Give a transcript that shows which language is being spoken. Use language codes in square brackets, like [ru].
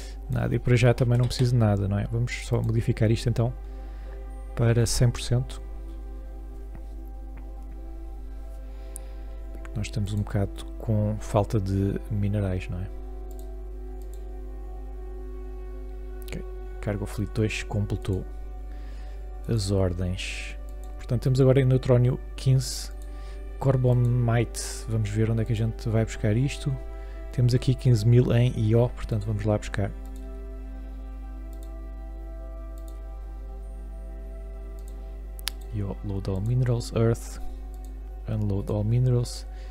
[pt] Nada. E para já também não preciso de nada, não é? Vamos só modificar isto então para 100%. Nós estamos um bocado com falta de minerais, não é? Okay. Cargo Fleet 2 completou as ordens. Portanto, temos agora em Neutrónio 15. Corbomite, vamos ver onde é que a gente vai buscar isto. Temos aqui 15 mil em IO, portanto vamos lá buscar. [en] IO, load all minerals, earth, unload all minerals.